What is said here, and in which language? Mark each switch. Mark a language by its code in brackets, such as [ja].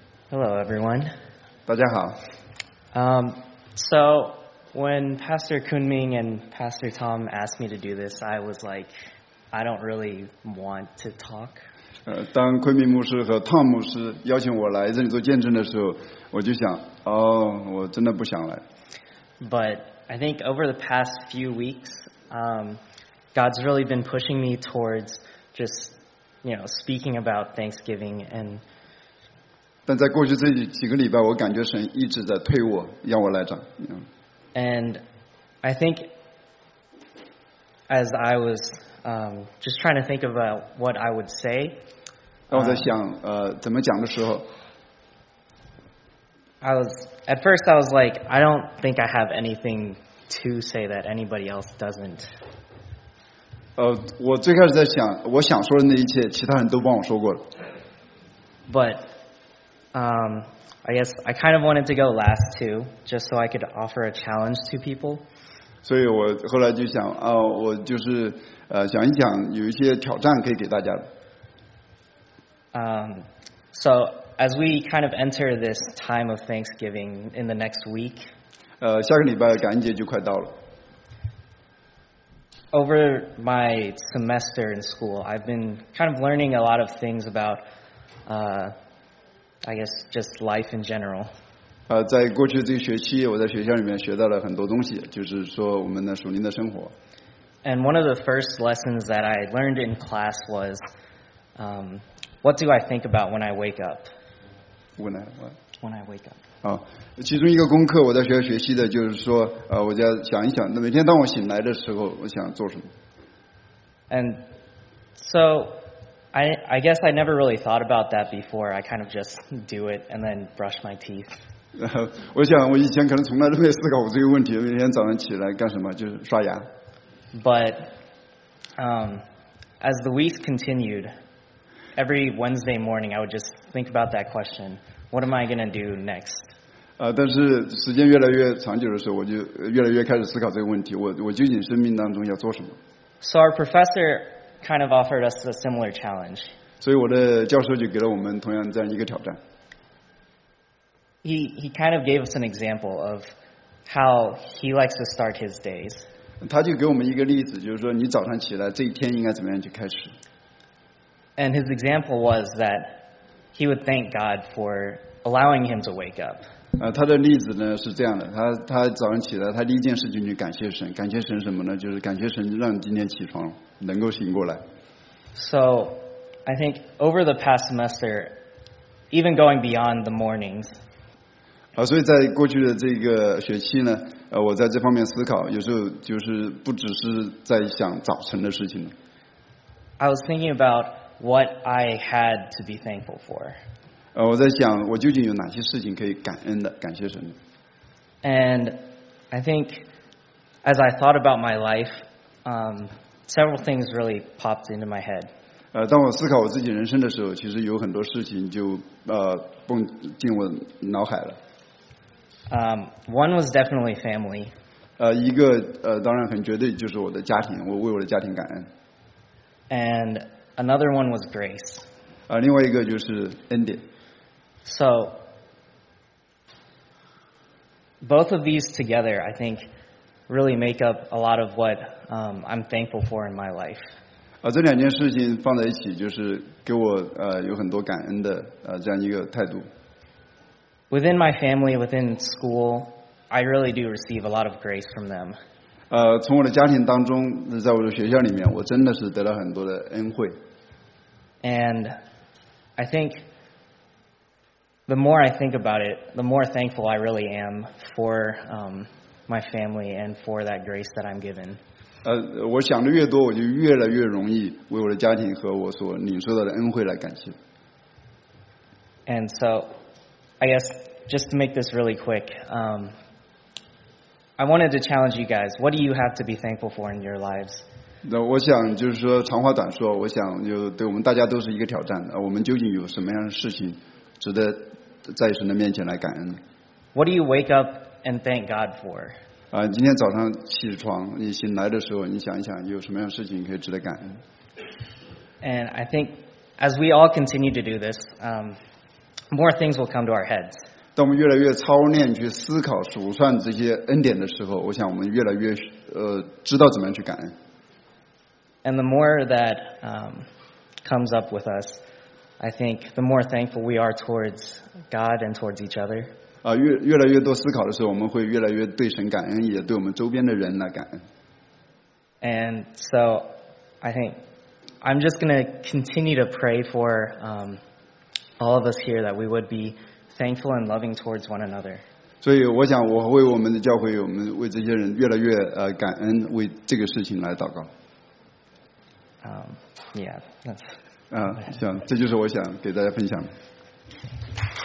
[en] Hello, everyone. [zh] 大家好。 [en] So when Pastor Kunming and Pastor Tom asked me to do this, I was like, I don't really want to talk. [zh] 当昆明牧师和 Tom 牧师邀请我来这里做见证的时候，我就想，哦，我真的不想来。 [en] But I think over the past few weeks, God's really been pushing me towards just, you know, speaking about Thanksgiving and. [zh] 但在过去这几个礼拜，我感觉神一直在推我，让我来讲。 [en] And I think as I was just trying to think about what I would say， [zh] 当我在想怎么讲的时候 [en] ，I was at first I was like I don't think I have anything to say that anybody else doesn't。 [zh] 我最开始在想，我想说的那一切，其他人都帮我说过了。 [en] But I guess I kind of wanted to go last too, just so I could offer a challenge to people. [zh] 所以我后来就想，哦，我就是想一想有一些挑战可以给大家的。 [en] So as we kind of enter this time of Thanksgiving in the next week. [zh] 下个礼拜感恩节就快到了。 [en] Over my semester in school, I've been kind of learning a lot of things about I guess just life in general. [zh] 在过去这个学期，我在学校里面学到了很多东西，就是说我们的属灵的生活。 [en] And one of the first lessons that I learned in class was, what do I think about when I wake up? When I wake up. [zh] 其中一个功课我在学校学习的就是说，我就要想一想，每天当我醒来的时候，我想做什么。 [en] And so. I guess I never really thought about that before. I kind of just do it and then brush my teeth. [zh] 我想我以前可能从来都没思考过这个问题，每天早上起来干什么，就是刷牙。 [en] But as the week continued, every Wednesday morning I would just think about that question. What am I going to do next? [zh] 但是时间越来越长久的时候，我就越来越开始思考这个问题，我究竟生命当中要做什么。 [en] So our professorkind of offered us a similar challenge. [zh] 所以我的教授就给了我们同样这样一个挑战。 [en] He kind of gave us an example of how he likes to start his days. [zh] 他就给我们一个例子，就是说你早上起来这一天应该怎么样去开始。 [en] And his example was that he would thank God for allowing him to wake up. [zh] 他的例子呢是这样的，他早上起来，他第一件事情就感谢神，感谢神什么呢？就是感谢神让今天起床。能够醒过来。 [en] So, I think over the past semester, even going beyond the mornings. [zh] 所以在过去的这个学期呢，我在这方面思考，有时候就是不只是在想早晨的事情。 [en] I was thinking about what I had to be thankful for. [zh] 我在想我究竟有哪些事情可以感恩的，感谢神。 [en] And I think as I thought about my life, Several things really popped into my head. [zh] 当我思考我自己人生的时候，其实有很多事情就蹦进我脑海了。 [en] One was definitely family. [zh] 一个当然很绝对就是我的家庭，我为我的家庭感恩。 [en] And another one was grace. [zh] 另外一个就是恩典。 [en] So both of these together, I think, really make up a lot of what I'm thankful for in my life. [zh] 这两件事情放在一起，就是给我有很多感恩的这样一个态度。 [en] Within my family, within school, I really do receive a lot of grace from them. [zh] 从我的家庭当中，在我的学校里面，我真的是得了很多的恩惠。 [en] And I think the more I think about it, the more thankful I really am for my family and for that grace that I'm given. [zh] 我想的越多，我就越来越容易为我的家庭和我所领受到的恩惠来感谢。 [en] And so, I guess just to make this really quick, I wanted to challenge you guys. What do you have to be thankful for in your lives? [zh] 我想就是说长话短说，我想就对我们大家都是一个挑战。我们究竟有什么样的事情值得在神的面前来感恩？ [en] What do you wake up and thank God for? [zh] 今天早上起床，你醒来的时候，你想一想有什么样的事情可以值得感恩？ [en] And I think as we all continue to do this, more things will come to our heads. [zh] 当我们越来越操练去思考数算这些恩典的时候，我想我们越来越知道怎么样去感恩。 [en] And the more that comes up with us, I think the more thankful we are towards God and towards each other. [zh] 越来越多思考的时候，我们会越来越对神感恩，也对我们周边的人来感恩。 [en] And so, I think I'm just going to continue to pray for all of us here that we would be thankful and loving towards one another. [zh] 所以我想，我为我们的教会，我们为这些人越来越感恩，为这个事情来祷告。 Yeah, 这就是我想给大家分享的。